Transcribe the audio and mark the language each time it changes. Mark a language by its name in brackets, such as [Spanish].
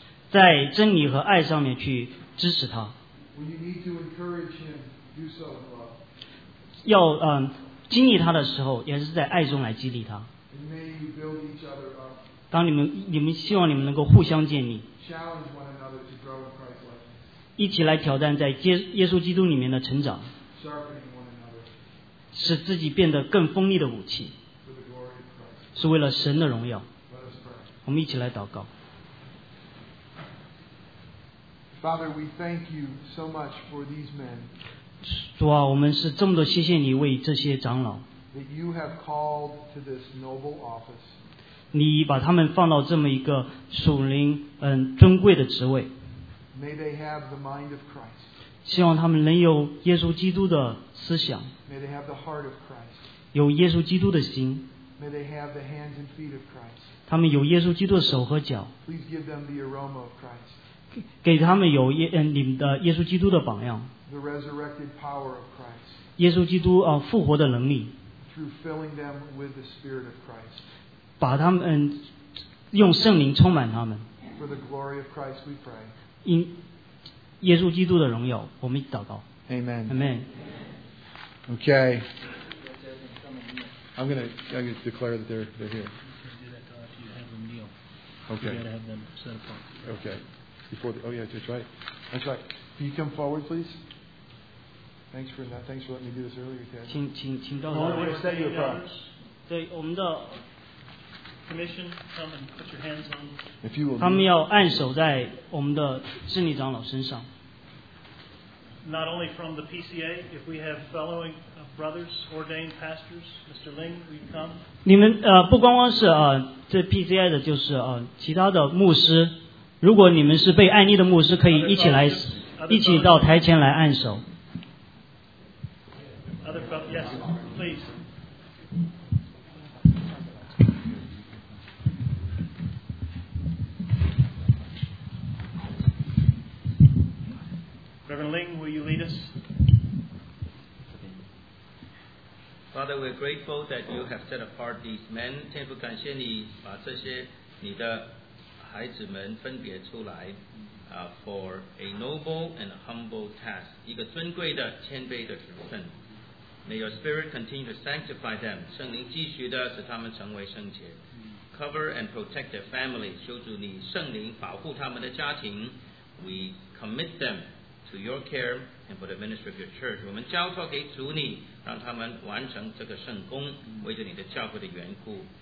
[Chinese] 在真理和爱上面去支持他。 [English] When you need to encourage him, do so in love. [Chinese] 要激励他的时候，也是在爱中来激励他。 [English] And may you build each other up. [Chinese] 当你们希望你们能够互相建立。 [English] Challenge one another to grow in Christ's likeness. [Chinese] 一起来挑战在耶稣基督里面的成长。 [English] Sharpening one another. [Chinese] 使自己变得更锋利的武器。是为了神的荣耀。我们一起来祷告。 [English] Father, we thank you so much for these men. [Chinese] 主啊，我们是这么多谢谢你为这些长老。 [English] That you have called to this noble office. [Chinese] 你把他们放到这么一个属灵尊贵的职位。 [English] May they have the mind of Christ. [Chinese] 希望他们能有耶稣基督的思想。 [English] May they have the heart of Christ. [Chinese] 有耶稣基督的心。 [English] May they have the hands and feet of Christ. [Chinese] 他们有耶稣基督的手和脚。 [English] Please give them the aroma of Christ. [Chinese] 给他们有你们的耶稣基督的榜样。 [English] The resurrected power of Christ. [Chinese] 耶稣基督复活的能力。 [English] Through filling them with the Spirit of Christ. [Chinese] 把他们用圣灵充满他们。 [English] For the glory of Christ, we pray. [Chinese] 因耶稣基督的荣耀，我们祷告。 [English] Amen. Amen. Okay. I'm gonna declare that they're here. Okay. Before the, oh yeah, that's right. Can you come forward, please? Thanks for that. Thanks for letting me do this earlier, Ted. [Chinese] 请到。 [English] I want to set you apart. [Chinese] 对我们的 [English] commission, come and put your hands on. If you will. [Chinese] 他们要按手在我们的真理长老身上。 [English] Not only from the PCA, if we have following. Brothers, ordained pastors, Mr. Ling, we've come. [Chinese] 你们不光光是这 PCI 的，就是其他的牧师。如果你们是被按立的牧师，可以一起来，一起到台前来按手。 [English] Other brothers, yes, please. Reverend Ling, will you lead us? Father, we're grateful that you have set apart these men. [Chinese] 天父，感谢你把这些你的孩子们分别出来 [English] for a noble and humble task, [Chinese] 一个尊贵的谦卑的职分。 [English] May your spirit continue to sanctify them, [Chinese] 圣灵继续的使他们成为圣洁。 [English] Cover and protect their family, [Chinese] 求主你圣灵保护他们的家庭。 [English] We commit them to your care and for the ministry of your church. [Chinese] 我们交托给主你，让他们完成这个圣工，为着你的教会的缘故。